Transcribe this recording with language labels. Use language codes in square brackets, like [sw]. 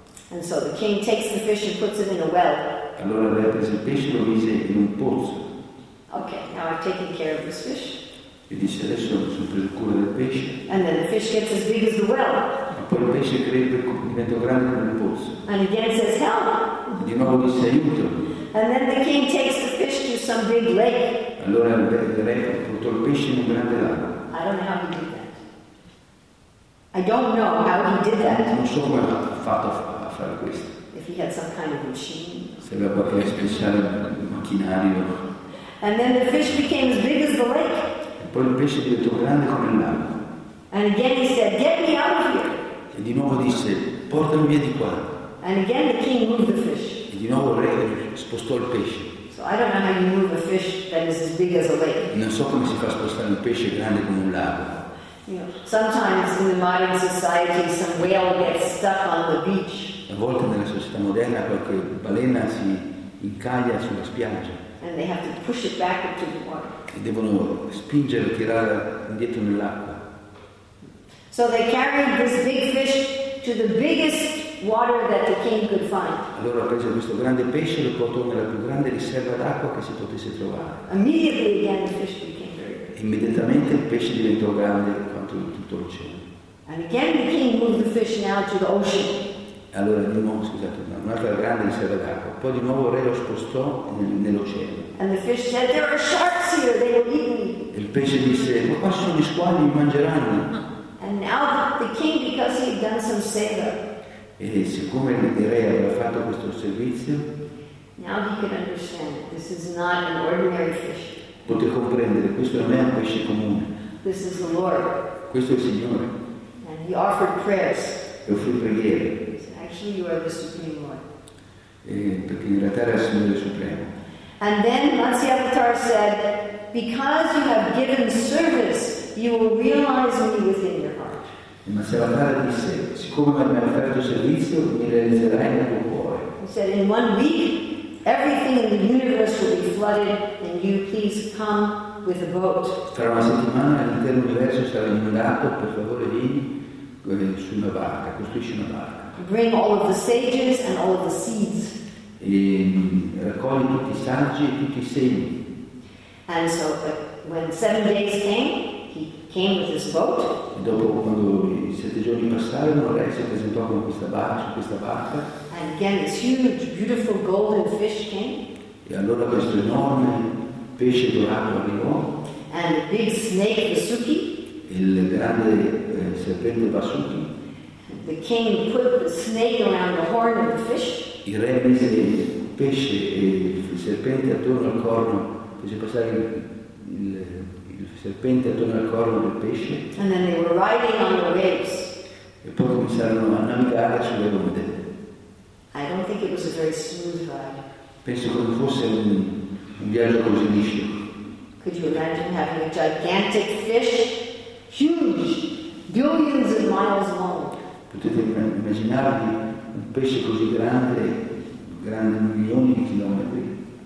[en] And so the king takes the fish and puts it in a well. [it] Allora lei prese il pesce e lo mise in un pozzo. [en] Okay, now I've taken care of this fish. [it] E dice adesso sono preso cura del pesce. [en] And then the fish gets as big as the well. [it] E poi il pesce crebbe, diventò grande come il pozzo. [en] And again it says help. [it] E di nuovo dice aiuto. [en] And then the king takes the fish to some big lake. [it] Allora il re portò il pesce in un grande lago. [en] I don't know how he did that. I don't know how he did that. [it] Non so come ha fatto a fare questo. [en] If he had some kind of machine. [it] Se aveva qualche speciale macchinario. [en] And then the fish became as big as the lake. [it] Poi il pesce diventò grande come il lago. [en] And again he said, get me out of here. [it] E di nuovo disse, portami via di qua. [en] And again the king moved the fish. [it] E di nuovo il re spostò il pesce. [en] So I don't know how you move a fish that is as big as a lake. [it] Non so come si fa a spostare un pesce grande come un lago. [en] Sometimes in the modern society, some whale gets stuck on the beach. [it] A volte nella società moderna qualche balena si incaglia sulla spiaggia. [en] And they have to push it back into the water. [it] E devono spingere, tirare indietro nell'acqua. [en] So they carried this big fish to the biggest water that the king could find. [it] Allora ha preso questo grande pesce e lo portò nella più grande riserva d'acqua che si potesse trovare. [en] Immediately again the fish became. [it] Immediatamente il pesce diventò grande quanto tutto l'oceano. [en] And again the king moved the fish now to the ocean. [it] Allora di nuovo, scusate, un'altra grande riserva d'acqua. Poi di nuovo il re lo spostò nell'oceano. [en] And the fish said, there are sharks here, they will eat me. [it] E il pesce disse, ma qua sono gli squali, mi mangeranno. [en] And now the king, because he had done some seva. [it] E siccome il re aveva fatto questo servizio, [en] now he could understand that this is not an ordinary fish. [it] Poté comprendere, questo non è un pesce comune. [en] This is the Lord. [it] Questo è il Signore. [en] And he offered prayers. [it] E offrì preghiere. [en] Actually, you are the Supreme Lord. [it] E perché in realtà era il Signore Supremo. [en] And then Matsya Avatar said, because you have given service, you will realize me within your heart. [it] E Matsya Avatar disse, siccome mi hai offerto servizio, mi realizzerai nel tuo cuore. [en] He said, in 1 week, everything in the universe will be flooded, and you please come with a boat. [it] Tra una settimana l'intero universo sarà inondato, per favore vieni su una barca, costruisci una barca. [en] Bring all of the sages and all of the seeds. [it] E raccogli tutti i saggi e tutti i semi. [en] And so when 7 days came, he came with his boat. [it] E dopo quando i 7 giorni passarono, lei si presentò con questa barca, su questa barca. [en] And again, this huge, beautiful golden fish came. [it] E allora questo enorme pesce dorato arrivò. [en] And the big snake Vasuki. [it] Il grande serpente Vasuki. [en] The king put the snake around the horn of the fish. [it] Il re mise il pesce e il serpente attorno al corno, fece passare il serpente attorno al corno del pesce. [en] And then they were riding on the waves. [it] E poi cominciarono a navigare sulle onde. [en] I don't think it was a very smooth ride. [it] Penso che non fosse un viaggio così liscio. [en] Could you imagine having a gigantic fish, huge, billions of miles long? [it] Potete immaginarvi un pesce così grande, grande milioni di chilometri.